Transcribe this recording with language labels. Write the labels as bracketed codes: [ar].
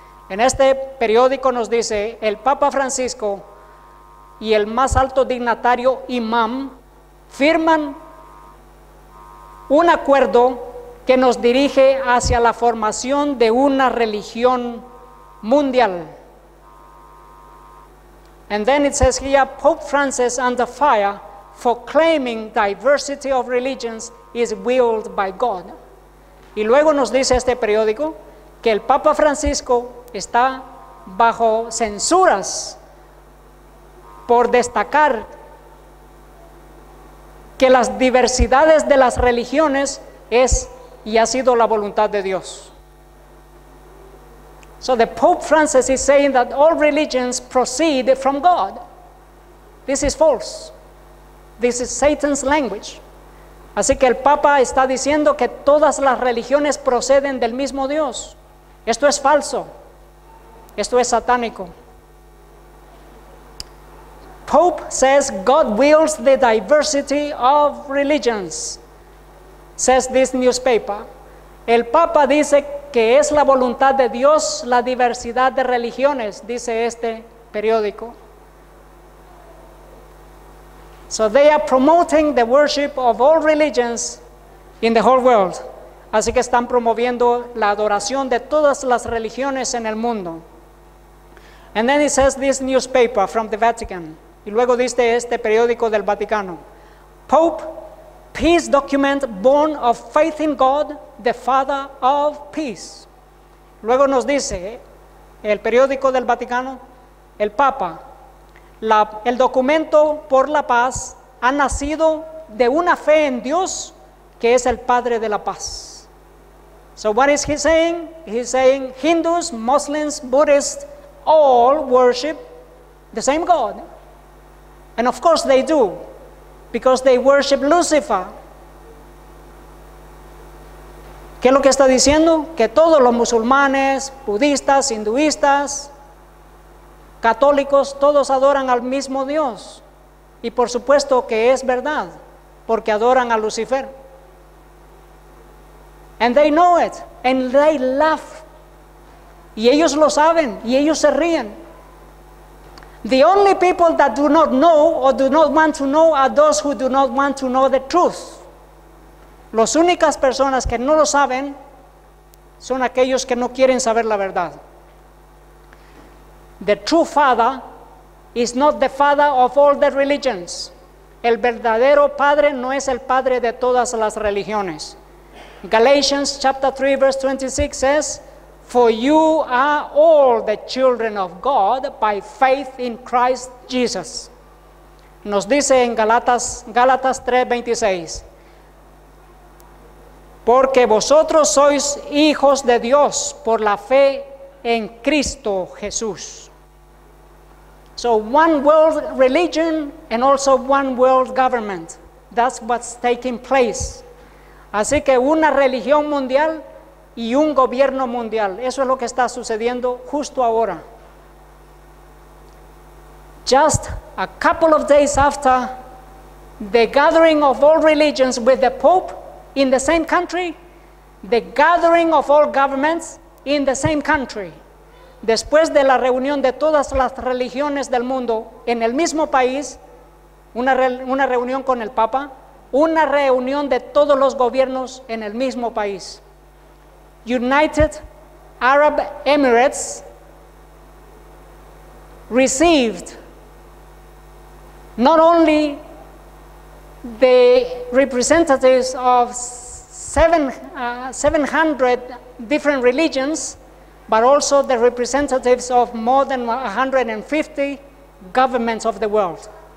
[es] En este periódico nos dice, el Papa Francisco y el más alto dignatario imam firman un acuerdo que nos dirige hacia la formación de una religión mundial. [en] And then it says here, Pope Francis under fire for claiming diversity of religions is willed by God. [es] Y luego nos dice este periódico que el Papa Francisco está bajo censuras por destacar que las diversidades de las religiones es y ha sido la voluntad de Dios. [en] So the Pope Francis is saying that all religions proceed from God. This is false. This is Satan's language. [es] Así que el Papa está diciendo que todas las religiones proceden del mismo Dios. Esto es falso. Esto es satánico. [en] Pope says God wills the diversity of religions, says this newspaper. [es] El Papa dice que es la voluntad de Dios la diversidad de religiones, dice este periódico. [en] So they are promoting the worship of all religions in the whole world. [es] Así que están promoviendo la adoración de todas las religiones en el mundo. [en] And then it says this newspaper from the Vatican. [es] Y luego dice este periódico del Vaticano. [en] Pope, peace document born of faith in God, the Father of peace. [es] Luego nos dice el periódico del Vaticano, el Papa, el documento por la paz ha nacido de una fe en Dios que es el Padre de la paz. [en] So what is he saying? He's saying Hindus, Muslims, Buddhists, all worship the same God. And of course they do, because they worship Lucifer. [es] ¿Qué es lo que está diciendo? Que todos los musulmanes, budistas, hinduistas, católicos, todos adoran al mismo Dios. Y por supuesto que es verdad, porque adoran a Lucifer. [en] And they know it, and they laugh. [es] Y ellos lo saben, y ellos se ríen. [en] The only people that do not know or do not want to know are those who do not want to know the truth. [es] Las únicas personas que no lo saben son aquellos que no quieren saber la verdad. [en] The true father is not the father of all the religions. [es] El verdadero padre no es el padre de todas las religiones. [en] Galatians chapter 3 verse 26 says, for you are all the children of God by faith in Christ Jesus. [es] Nos dice en Gálatas 3:26. Porque vosotros sois hijos de Dios por la fe en Cristo Jesús. [en] So one world religion and also one world government. That's what's taking place. [es] Así que una religión mundial y un gobierno mundial. Eso es lo que está sucediendo justo ahora. [en] Just a couple of days after the gathering of all religions with the Pope in the same country, the gathering of all governments in the same country. [es] Después de la reunión de todas las religiones del mundo en el mismo país, una reunión con el Papa, una reunión de todos los gobiernos en el mismo país. United [en] Arab Emirates received not only the representatives of 700 different religions, but also the representatives of more than 150 governments of the world.